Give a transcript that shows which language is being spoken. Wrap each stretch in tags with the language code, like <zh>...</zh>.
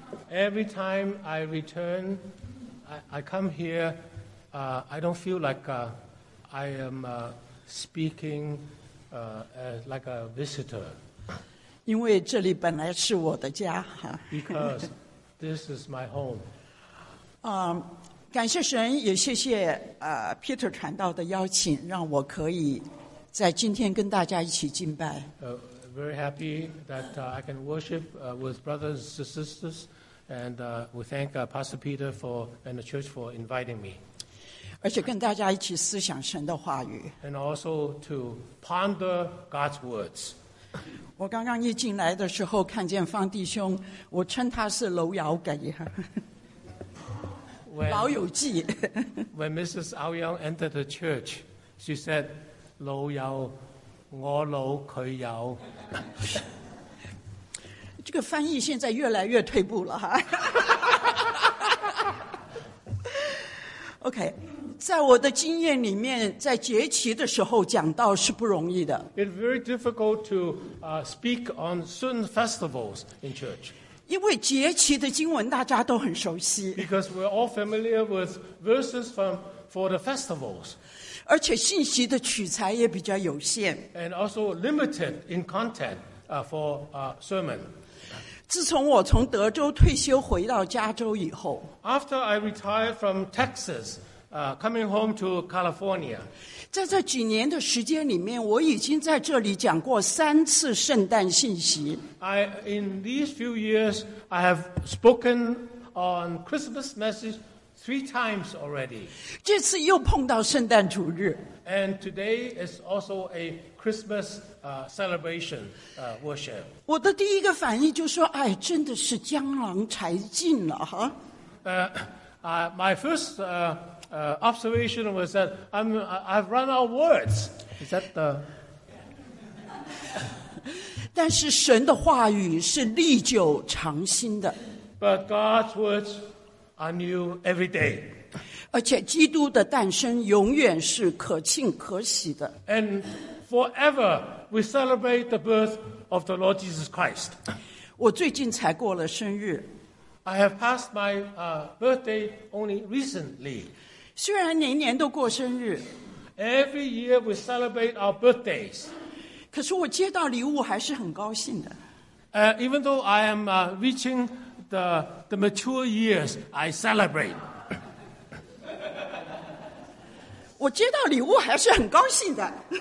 <en>Every time I return, I come here, I don't feel like I am speaking like a visitor.</en> <zh>因为这里本来是我的家。</zh> <en>Because this is my home.</en> <zh>感谢神，也谢谢Peter 传道的邀请，让我可以在今天跟大家一起敬拜。</zh> <en>Very happy that I can worship with brothers and sisters, and we thank Pastor Peter for and the church for inviting me.</en> <zh>而且跟大家一起思想神的话语。</zh> <en>And also to ponder God's words.</en> <zh>我刚刚一进来的时候，看见方弟兄，我称他是楼摇给。</zh> <en>When Mrs. Ao Yang entered the church, she said, Lo Yao, Ngo Lo, Ku Yao. This translation is now getting more and more backward. Okay.</en> <zh>在我的经验里面，在节期的时候讲道是不容易的。</zh> <en>It's very difficult to speak on certain festivals in church.</en> <zh>因为节期的经文大家都很熟悉。</zh> <en>Because we're all familiar with verses for the festivals.</en> <zh>而且信息的取材也比较有限。</zh> <en>And also limited in content for a sermon.</en> <zh>自从我从德州退休回到加州以后。</zh> <en>After I retired from Texas, coming home to California.</en> <zh>在这几年的时间里面，我已经在这里讲过三次圣诞信息。</zh> <en>In these few years, I have spoken on Christmas message three times already.</en> <zh>这次又碰到圣诞主日。</zh> <en>And today is also a Christmas celebration worship.</en> <zh>我的第一个反应就说，哎，真的是江郎才尽了哈。</zh> <en>My first observation was that I've run out of words. Is that the?</en> <zh>但是神的话语是历久长新的。</zh> <en>But God's words are new every day.</en> <zh>而且基督的诞生永远是可庆可喜的。</zh> <en>And forever we celebrate the birth of the Lord Jesus Christ.</en> <zh>我最近才过了生日。</zh> <en>I have passed my birthday only recently.</en> <zh>虽然年年都过生日</zh> <en>，Every year we celebrate our birthdays，</en> <zh>可是我接到礼物还是很高兴的。</zh> <en>Even though I am reaching the mature years, I celebrate 。</en> <zh>我接到礼物还是很高兴的。</zh>